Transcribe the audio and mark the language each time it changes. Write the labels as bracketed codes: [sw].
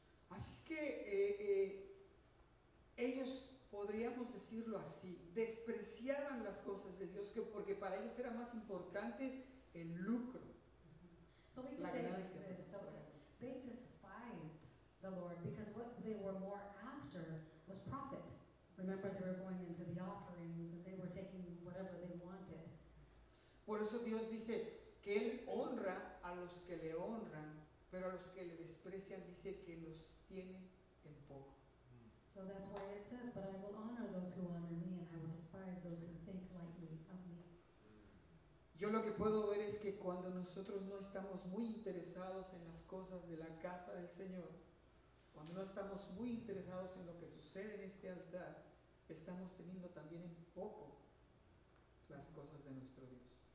[es] Así es que ellos, podríamos decirlo así, despreciaban las cosas de Dios, que porque para ellos era más importante el lucro. [en] So we can say this, so they despised the Lord, because what they were more after was profit. Remember, they were going into the offerings and they were taking whatever they wanted. [es] Por eso Dios dice que Él honra a los que le honran, pero a los que le desprecian dice que los tiene en poco. [en] So that's why it says, but I will honor those who honor me and I will despise those who think lightly of me. [es] Yo lo que puedo ver es que cuando nosotros no estamos muy interesados en las cosas de la casa del Señor, cuando no estamos muy interesados en lo que sucede en este altar, estamos teniendo también en poco las cosas de nuestro Dios.